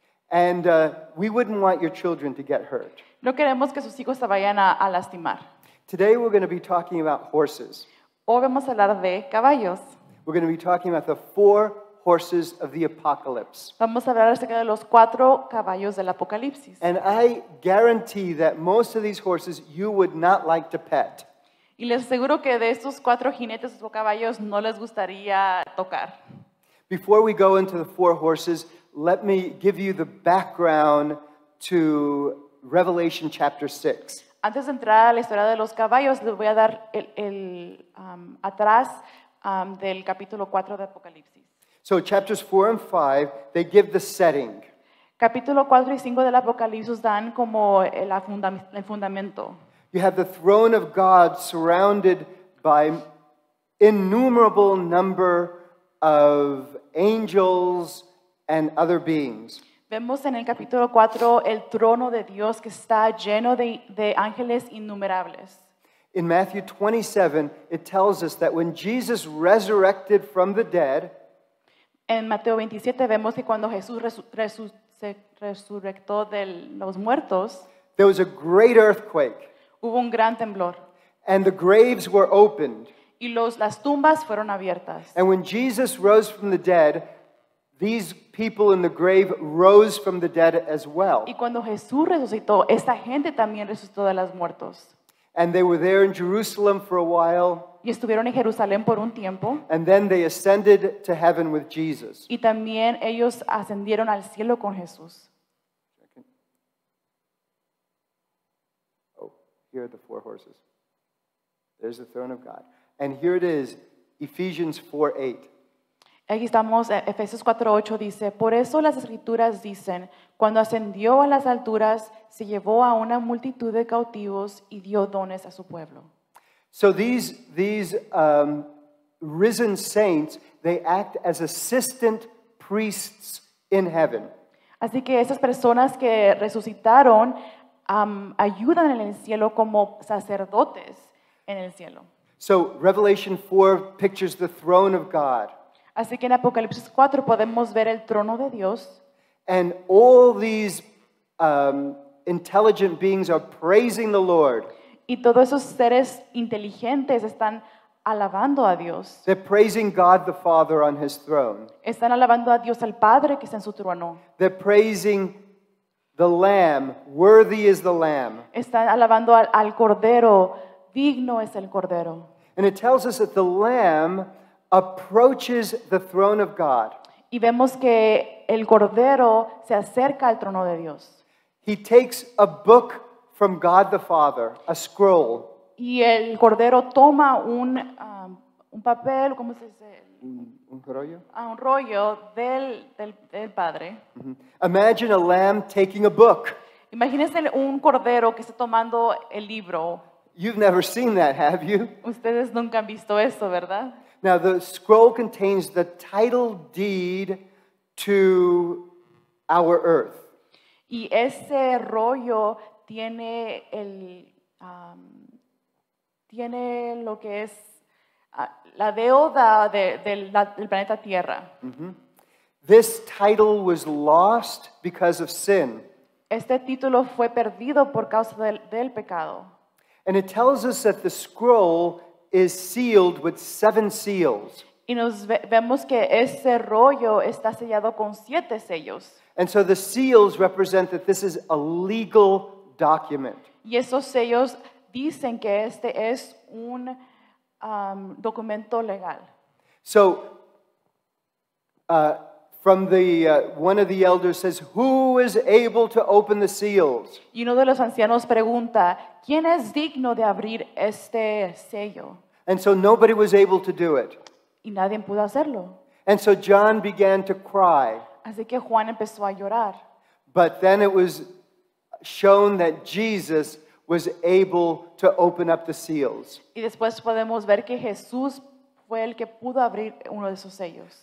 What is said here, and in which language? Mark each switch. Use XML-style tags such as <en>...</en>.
<en>And we wouldn't want your children to get hurt.</en> <es>No queremos que sus hijos se vayan a lastimar.</es> <en>Today we're going to be talking about horses.</en> <es>Hoy vamos a hablar de caballos.</es> <en>We're going to be talking about the four horses of the apocalypse.</en> <es>Vamos a hablar acerca de los cuatro caballos del apocalipsis.</es> <en>And I guarantee that most of these horses you would not like to pet.</en> <es>Y les aseguro que de estos cuatro jinetes o caballos no les gustaría tocar.</es> <en>Before we go into the four horses, let me give you the background to Revelation chapter 6.</en> <es>Antes de entrar a la historia de los caballos, les voy a dar el atrás del capítulo 4 de Apocalipsis.</es> <en>So chapters 4 and 5, they give the setting.</en> <es>Capítulo 4 y 5 del Apocalipsis dan como el fundamento.</es> <en>You have the throne of God surrounded by innumerable number of angels and other beings.</en> <es>Vemos en el capítulo 4 el trono de Dios que está lleno de ángeles innumerables.</es> <en>In Matthew 27, it tells us that when Jesus resurrected from the dead,</en> <es>en Mateo 27 vemos que cuando Jesús resucitó de los muertos,</es> <en>there was a great earthquake.</en> <es>Hubo un gran temblor.</es> <en>And the graves were opened.</en> <es>Y las tumbas fueron abiertas.</es> <en>And when Jesus rose from the dead, these people in the grave rose from the dead as well.</en> <es>Y cuando Jesús resucitó, esta gente también resucitó de los muertos.</es> <en>And they were there in Jerusalem for a while.</en> <es>Y estuvieron en Jerusalén por un tiempo.</es> <en>And then they ascended to heaven with Jesus.</en> <es>Y también ellos ascendieron al cielo con Jesús.</es> <en>Oh, here are the four horses. There's the throne of God. And here it is, Ephesians 4:8.</en> <es>Aquí estamos, Efesios 4:8 dice, por eso las escrituras dicen, cuando ascendió a las alturas, se llevó a una multitud de cautivos y dio dones a su pueblo.</es> <en>So these risen saints, they act as assistant priests in heaven.</en> <es>Así que esas personas que resucitaron ayudan en el cielo como sacerdotes en el cielo.</es> <en>So Revelation 4 pictures the throne of God.</en> <es>Así que en Apocalipsis 4 podemos ver el trono de Dios.</es> <en>And all these intelligent beings are praising the Lord.</en> <es>Y todos esos seres inteligentes están alabando a Dios.</es> <en>They're praising God the Father on his throne.</en> <es>Están alabando a Dios al Padre que está en su trono.</es> <en>They're praising the Lamb. Worthy is the Lamb.</en> <es>Están alabando al Cordero. Digno es el Cordero.</es> <en>And it tells us that the Lamb approaches the throne of God.</en> <es>Y vemos que el Cordero se acerca al trono de Dios.</es> <en>He takes a book from God the Father, a scroll.</en> <es>Y el Cordero toma un papel, ¿cómo se dice? Un rollo. Un rollo del Padre.</es> <en>Mm-hmm. Imagine a lamb taking a book.</en> <es>Imagínese un Cordero que está tomando el libro.</es> <en>You've never seen that, have you?</en> <es>Ustedes nunca han visto eso, ¿verdad?</es> <en>Now, the scroll contains the title deed to our earth.</en> <es>Y ese rollo tiene lo que es la deuda del planeta Tierra.</es> <en>Mm-hmm. This title was lost because of sin.</en> <es>Este título fue perdido por causa del pecado.</es> <en>And it tells us that the scroll is sealed with seven seals.</en> <es>Y nos vemos que ese rollo está sellado con siete sellos.</es> <en>And so the seals represent that this is a legal document.</en> <es>Y esos sellos dicen que este es un documento legal.</es> <en>So, from the one of the elders says, "Who is able to open the seals?"</en> <es>Y uno de los ancianos pregunta, ¿quién es digno de abrir este sello?</es> <en>And so nobody was able to do it.</en> <es>Y nadie pudo hacerlo.</es> <en>And so John began to cry.</en> <es>Así que Juan empezó a llorar.</es> <en>But then it was shown that Jesus was able to open up the seals.</en> <es>Y después podemos ver que Jesús fue el que pudo abrir uno de esos sellos.</es>